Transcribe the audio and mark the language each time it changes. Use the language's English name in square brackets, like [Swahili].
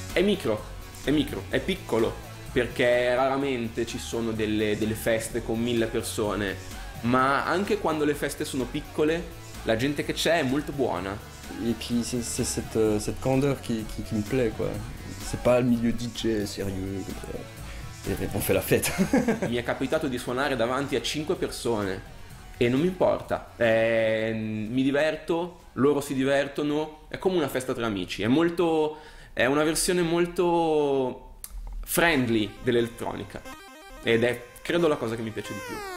[Italian] micro, è piccolo, perché raramente ci sono delle feste con 1000 persone, ma anche quando le feste sono piccole, la gente che c'è è molto buona. E poi c'è [French] cette candeur qui [Italian] mi [French] plaît, quoi. C'est pas le milieu DJ sérieux, [Italian] e [French] on fait la fête. [Italian] Mi è capitato di suonare davanti a 5 persone, e non mi importa, mi diverto, loro si divertono, è come una festa tra amici, è una versione molto friendly dell'elettronica, ed è credo la cosa che mi piace di più.